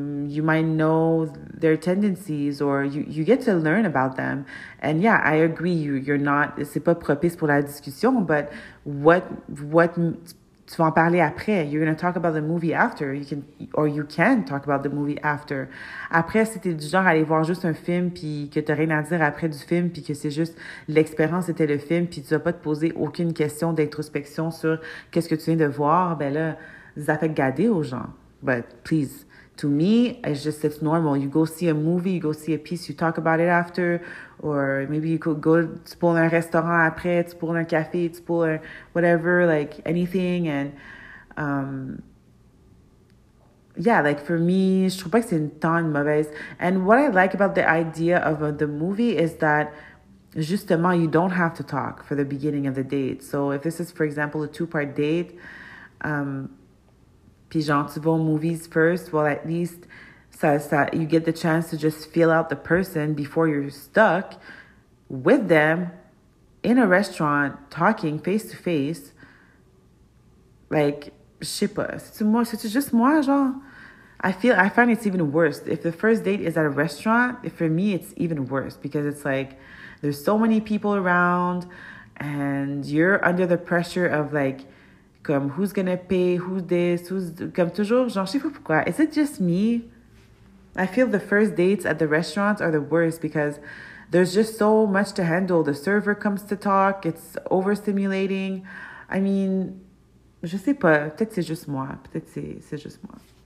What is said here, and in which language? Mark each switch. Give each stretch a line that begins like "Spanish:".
English: You might know their tendencies or you get to learn about them. And yeah, I agree, you're not,
French: c'est pas propice pour la discussion,
English: but what
French: tu vas en parler après.
English: You're going to talk about the movie after. You can talk about the movie after.
French: Après, si t'es du genre à aller voir juste un film puis que t'as rien à dire après du film puis que c'est juste l'expérience était le film puis tu vas pas te poser aucune question d'introspection sur qu'est-ce que tu viens de voir, ben là, ça fait gader aux gens.
English: But please, to me, it's just, it's normal. You go see a movie, you go see a piece, you talk about it after, or maybe you could go,
French: tu pour un restaurant après, tu pour un café, tu pour un whatever,
English: like anything. And yeah, like for me,
French: je trouve pas que c'est une tant mauvaise.
English: And what I like about the idea of the movie is that,
French: justement,
English: you don't have to talk for the beginning of the date. So if this is, for example, a two-part date,
French: puis genre, tu vas au
English: movies first, well, at least
French: ça,
English: you get the chance to just feel out the person before you're stuck with them in a restaurant, talking face-to-face. Like,
French: je sais pas, c'est-tu juste moi, genre?
English: I find it's even worse. If the first date is at a restaurant, for me, it's even worse because it's like, there's so many people around and you're under the pressure of like, comme, who's gonna pay, who's this,
French: comme toujours, genre, je sais pas pourquoi.
English: Is it just me? I feel the first dates at the restaurants are the worst because there's just so much to handle. The server comes to talk, it's overstimulating. I mean,
French: je sais pas, peut-être c'est juste moi, peut-être c'est juste moi.